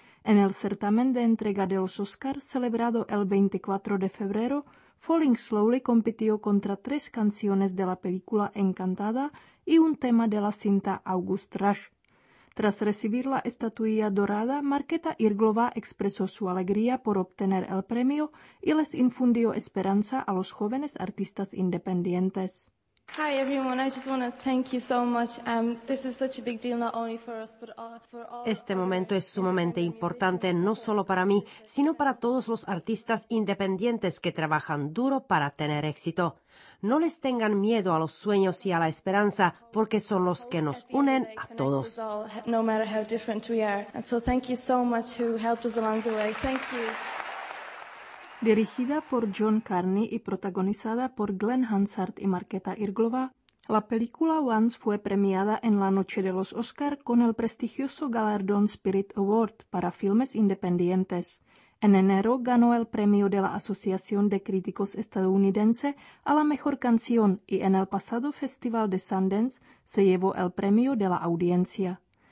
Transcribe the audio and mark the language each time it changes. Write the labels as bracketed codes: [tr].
[es] En el certamen de entrega de los Oscar, celebrado el 24 de febrero, Falling Slowly compitió contra tres canciones de la película Encantada y un tema de la cinta August Rush. Tras recibir la estatuilla dorada, Markéta Irglová expresó su alegría por obtener el premio y les infundió esperanza a los jóvenes artistas independientes. [en] Hi everyone, I just want to thank you so much. This is such a big deal not only for us but for all. [es] Este momento es sumamente importante no solo para mí, sino para todos los artistas independientes que trabajan duro para tener éxito. No les tengan miedo a los sueños y a la esperanza, porque son los que nos unen a todos. [en] No matter how different we are. And so thank you so much who helped us along the way. Thank you. [es] Dirigida por John Carney y protagonizada por Glenn Hansard y Markéta Irglová, la película Once fue premiada en la noche de los Oscar con el prestigioso galardón Spirit Award para filmes independientes. En enero ganó el premio de la Asociación de Críticos Estadounidense a la Mejor Canción y en el pasado Festival de Sundance se llevó el premio de la audiencia.